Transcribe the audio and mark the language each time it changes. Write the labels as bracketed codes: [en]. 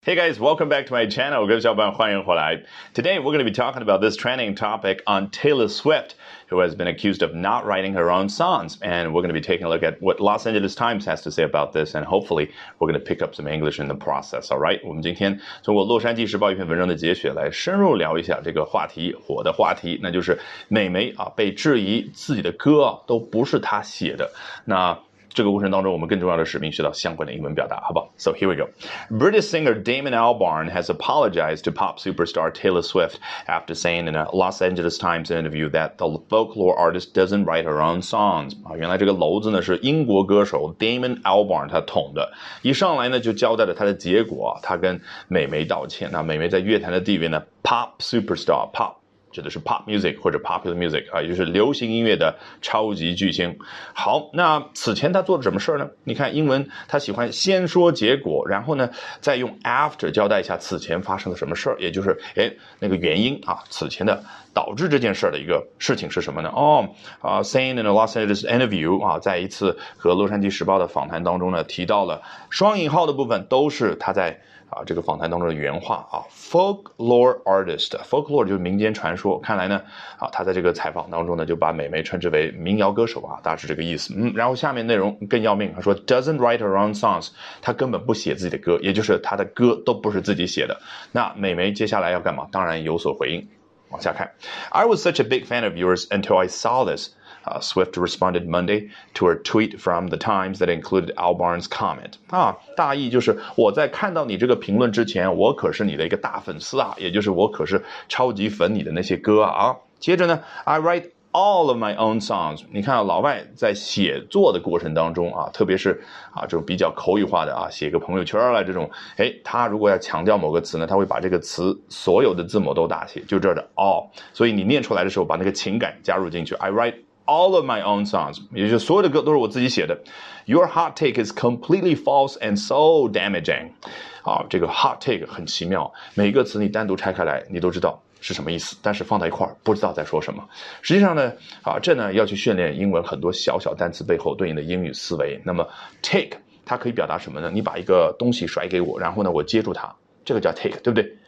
[en] Hey guys, welcome back to my channel. Today we're going to be talking about this trending topic on Taylor Swift, who has been accused of not writing her own songs. And we're going to be taking a look at what Los Angeles Times has to say about this, and hopefully we're going to pick up some English in the process, all right? [zh] 我们今天从洛杉矶时报一篇文章的节选来深入聊一下这个话题，火的话题，那就是美眉啊被质疑自己的歌都不是她写的。那这个过程当中我们更重要的使命学到相关的英文表达好不好 [en] So here we go. British singer Damon Albarn has apologized to pop superstar Taylor Swift after saying in a Los Angeles Times interview that the folklore artist doesn't write her own songs. [zh] 原来这个娄子呢是英国歌手 Damon Albarn 他捅的。一上来呢就交代了他的结果他跟美眉道歉。那美眉在乐坛的地位呢 pop superstar, pop. 指的是 pop music 或者 popular music 啊，也就是流行音乐的超级巨星。好，那此前他做了什么事呢？你看英文他喜欢先说结果，然后呢再用 after 交代一下此前发生了什么事，也就是那个原因啊，此前的导致这件事的一个事情是什么呢？ [en] saying in a Los Angeles interview [zh] 啊，在一次和洛杉矶时报的访谈当中呢，提到了双引号的部分都是他在。啊，这个访谈当中的原话啊 ，folklore artist，folklore 就是民间传说。看来呢，啊，他在这个采访当中呢，就把美眉称之为民谣歌手啊，大致这个意思。嗯，然后下面内容更要命，他说 [en] doesn't write her own songs， [zh] 他根本不写自己的歌，也就是他的歌都不是自己写的。那美眉接下来要干嘛？当然有所回应。往下看 [en] ，I was such a big fan of yours until I saw this。 Swift responded Monday to a tweet from the Times that included Albarn's comment. [zh] 啊，大意就是我在看到你这个评论之前，我可是你的一个大粉丝啊，也就是我可是超级粉你的那些歌啊。接着呢 [en] ，I write all of my own songs. [zh] 你看、啊、老外在写作的过程当中啊，特别是啊这种比较口语化的啊，写个朋友圈啊这种，哎，他如果要强调某个词呢，他会把这个词所有的字母都大写，就这儿的 all。所以你念出来的时候，把那个情感加入进去。 [en] I write。 All of my own songs, [zh] 也就是所有的歌都是我自己写的。 [en] Your hot take is completely false and so damaging. [zh] 啊，这个 hot take 很奇妙，每一个词你单独拆开来，你都知道是什么意思，但是放在一块儿不知道在说什么。实际上呢，啊，这呢要去训练英文很多小小单词背后对应的英语思维。那么 take 它可以表达什么呢？你把一个东西甩给我，然后呢我接住它，这个叫 take， 对不对？